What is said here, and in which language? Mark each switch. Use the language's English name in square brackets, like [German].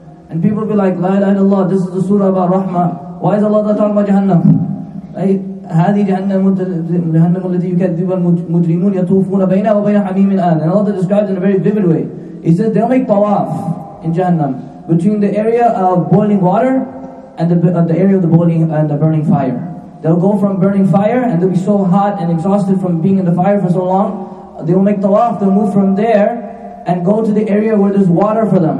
[English] And people will be like, La ilaha illallah, this is the surah about Rahman. Why is Allah talking about Jahannam? Right? [Arabic] هذه جهنم التي يكذب المجرمون يطوفون بينها وبين حميم آن. [English] And Allah describes in a very vivid way. He says they'll make tawaf in Jahannam between the area of boiling water and the area of the boiling and the burning fire. They'll go from burning fire and they'll be so hot and exhausted from being in the fire for so long. They will make tawaf. They'll move from there and go to the area where there's water for them.